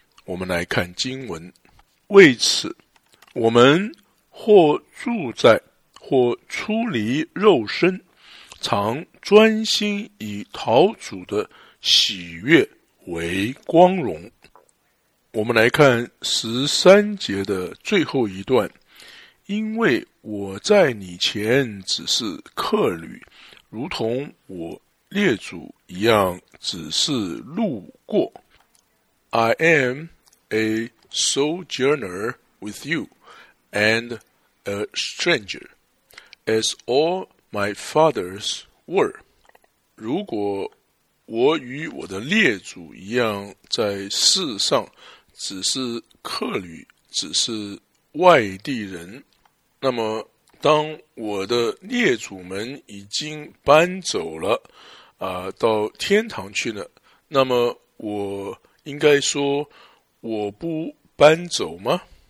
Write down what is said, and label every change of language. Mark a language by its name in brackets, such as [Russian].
[Chinese] 我们来看经文，为此我们或住在或出离肉身，常专心以讨主的喜悦为光荣。我们来看13的最后一段，因为我在你前只是客旅，如同我列祖一样只是路过。 [English] I am a sojourner with you and a stranger, as all my fathers were. [Chinese] 如果我与我的列祖一样在世上只是客旅，只是外地人，那么当我的列祖们已经搬走了到天堂去了，那么我应该说我不搬走吗？